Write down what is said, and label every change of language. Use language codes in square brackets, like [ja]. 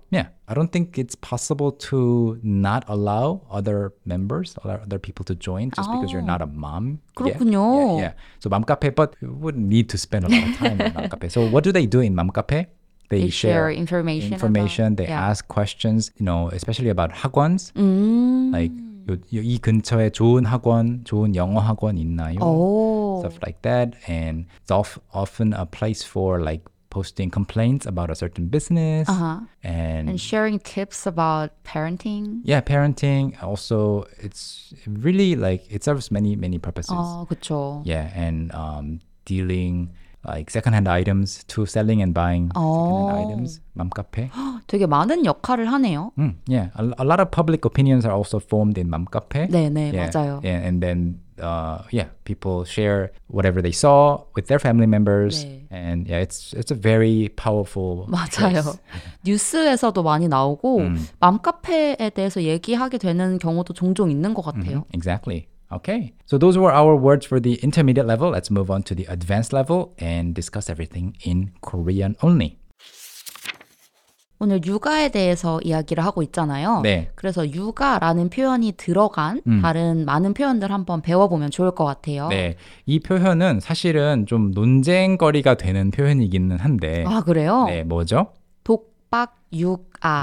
[en] Yeah. I don't think it's possible to not allow other members, other people to join just because you're not a mom. [ko] 그렇군요. [en] Yeah. Yeah. So 맘 카페, but you wouldn't need to spend a lot of time in 맘 카페. So what do they do in 맘 카페? They share information. About, they ask questions, you know, especially about 학원s. [ko] Like, 이 근처에 좋은 학원, 좋은 영어 학원 있나요? Oh. [en] Stuff like that. And it's often a place for like posting complaints about a certain business. Uh-huh. And sharing tips about parenting. Yeah, parenting. Also, it's really like, it serves many, many purposes. [ko] Oh, 그쵸. [en] Yeah, and dealing like secondhand items to selling and buying secondhand items. [ko] 맘카페. 되게 많은 역할을 하네요. [en] Yeah, a lot of public opinions are also formed in 맘카페. [ko] 네네, [en] yeah. [ko] 맞아요. [en] Yeah, and then yeah, people share whatever they saw with their family members, [ko] 네. [en] and yeah, it's a very powerful. [ko] 맞아요. 뉴스에서도 많이 나오고 맘카페에 대해서 얘기하게 되는 경우도 종종 있는 것 같아요. [en] Mm-hmm. Exactly. Okay. So those were our words for the intermediate level. Let's move on to the advanced level and discuss everything in Korean only. [ko] 오늘 육아에 대해서 이야기를 하고 있잖아요. 네. 그래서 육아라는 표현이 들어간 다른 많은 표현들 한번 배워보면 좋을 것 같아요. 네. 이 표현은 사실은 좀 논쟁거리가 되는 표현이기는 한데. 아, 그래요? 네, 뭐죠? 독박 육아.